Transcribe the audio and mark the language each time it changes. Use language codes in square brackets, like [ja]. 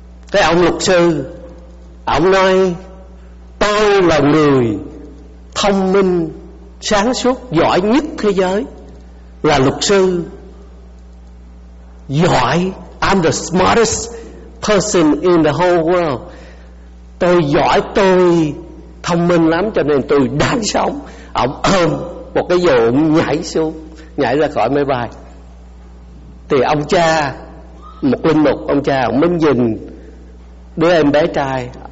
[vi] Cái ông luật sư, ông nói tôi là người thông minh, sáng suốt, giỏi nhất thế giới, là luật sư giỏi. [en] I'm the smartest person in the whole world. [vi] Tôi giỏi, tôi thông minh lắm, cho nên tôi đáng sống. Ông ôm một cái dù nhảy xuống, nhảy ra khỏi máy bay. Thì ông cha, một linh mục, ông cha ông mới nhìn đứa em bé trai.